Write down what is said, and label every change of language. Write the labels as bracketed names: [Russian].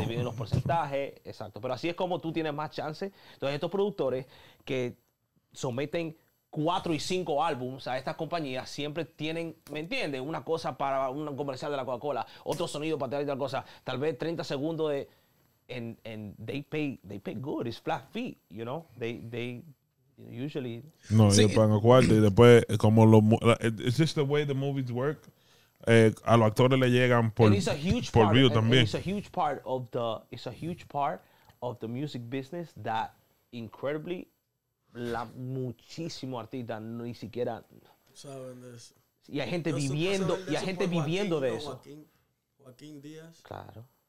[Spanish] Se dividen los porcentajes, exacto. Pero así es como tú tienes más chance. Entonces, estos productores que someten 4 y 5 álbums a estas compañías siempre tienen, ¿me entiendes? Una cosa para un comercial de la Coca-Cola, otro sonido para tal y tal cosa, tal vez 30 segundos de. [English] And they pay good, it's flat fee, you know? They usually. [Spanish] No, sí. Ellos pagan cuarto y después, como lo. [English] Is this the way the movies work? [Spanish] A los actores le llegan por view también. [English] It's a huge part of the music business that incredibly [Spanish] muchísimo artista no ni siquiera saben de eso. Y hay gente viviendo de eso. Joaquín Díaz. Claro.